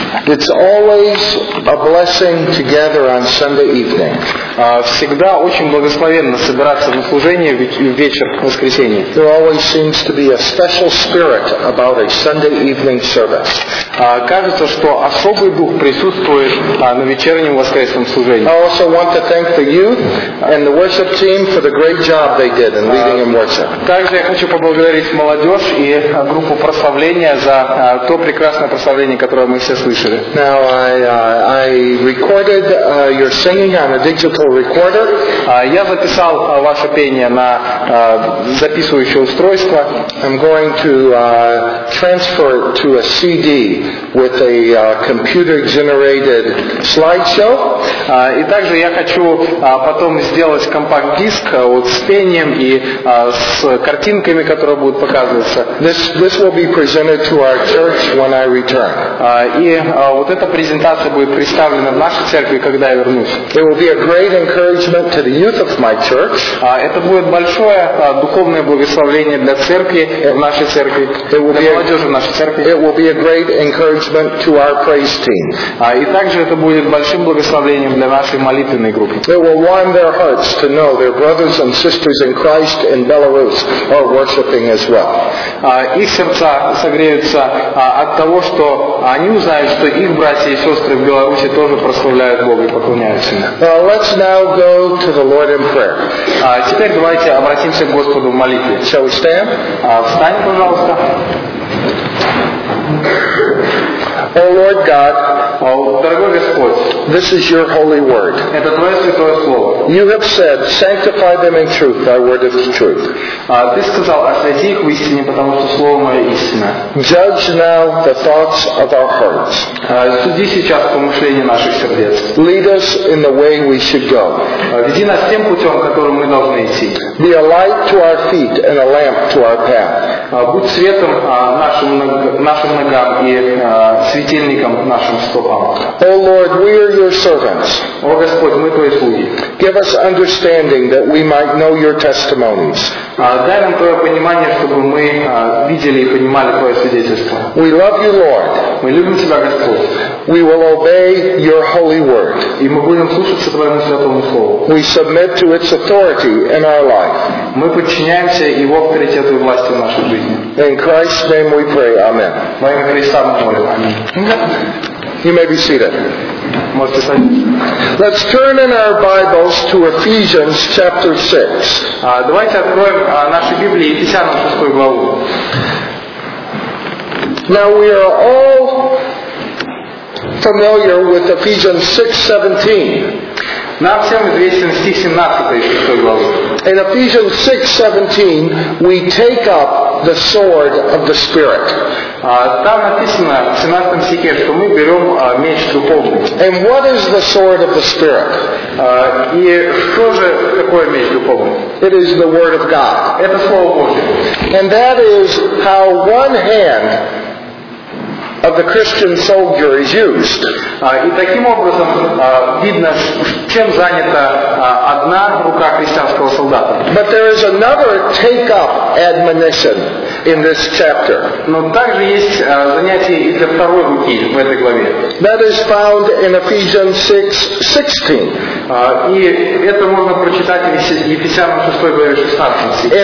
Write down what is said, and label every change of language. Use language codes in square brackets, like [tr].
[en] It's always a blessing together on Sunday evening. [ru] Всегда очень благословенно собираться на служение в вечер в воскресенье. [en] There always seems to be a special spirit about a Sunday evening service. [ru] Кажется, что особый дух присутствует на вечернем воскресном служении. [en] I also want to thank the youth and the worship team for the great job they did in leading in worship. [ru] Также я хочу поблагодарить молодежь и группу прославления за то прекрасное прославление, которое мы все слышали. [en] Now I recorded your singing on a digital recorder. [ru] Я записал ваше пение на записывающее устройство. [en] I'm going to transfer it to a CD with a computer-generated slideshow. [ru] И также я хочу потом сделать компакт-диск вот с пением и с картинками, которые будут показываться. [en] This will be presented to our church when I return. [ru] И вот эта презентация будет представлена в нашей церкви, когда я вернусь. [en] It will be a great encouragement to the youth of my church. [ru] Это будет большое духовное благословение для церкви, в нашей церкви, для молодежи в нашей церкви. [en] It will be a great encouragement to our praise team. [ru] И также это будет большим благословением для нашей молитвенной группы. [en] It will warm their hearts to know their brothers and sisters in Christ in Belarus are worshiping as well. [ru] Их сердца согреются от того, что они узнают, что их братья и сестры в Беларуси тоже прославляют Бога и поклоняются Ему. [en] Let's now go to the Lord in prayer. [ru] Теперь давайте обратимся к Господу в молитве. [en] Shall we stand? [ru] Встань, пожалуйста. [en] O Lord God, [ru] дорогой Господь, [en] this is your holy word. [ru] Это твое святое слово. [en] You have said, sanctify them in truth, thy word is truth. [ru] Ты сказал, освяти их в истине, потому что слово мое истина. [en] Judge now the thoughts of our hearts. [ru] Суди сейчас помышления наших сердец. [en] Lead us in the way we should go. [ru] Веди нас тем путем, которым мы должны идти. [en] Be a light to our feet and a lamp to our path. [ru] Будь светом нашим ногам и светильником нашим стопам. [en] O Lord, we are your servants. [ru] О Господь, мы твои слуги. [en] Give us understanding that we might know your testimonies. [ru] Дай нам твое понимание, чтобы мы видели и понимали твое свидетельство. [en] We love you, Lord. [ru] Мы любим тебя, Господь. [en] We will obey your holy word. [ru] И мы будем слушаться твоему святому слову. [en] We submit to its authority in our life. [ru] Мы подчиняемся его авторитету и власти в нашей жизни. [en] In Christ's name we pray. Amen. [ru] Во имя Христа мы молим. [en] You may be seated. Let's turn in our Bibles to Ephesians chapter 6. [ru] Давайте откроем наши Библии, Ефесянам 6 главу. [en] Now we are all familiar with Ephesians 6:17. [ru] Нам всем известен стих 17 6 главы. [en] In Ephesians 6:17, we take up the sword of the Spirit. [ru] Там написано в 17 стихе, что мы берем меч духовный. [en] And what is the sword of the Spirit? [ru] И что же такое меч духовный? [en] It is the Word of God. [ru] Это Слово Божие. [en] And that is how one hand of the Christian soldier is used. [ru] И таким образом видно, чем занята одна рука христианского солдата. [en] But there is another take up admonition in this chapter. [ru] Но также есть занятие и для второй руки в этой главе. [en] That is found in Ephesians 6:16. [ru] И это можно прочитать в Ефесянам 6 главе 16 стихе.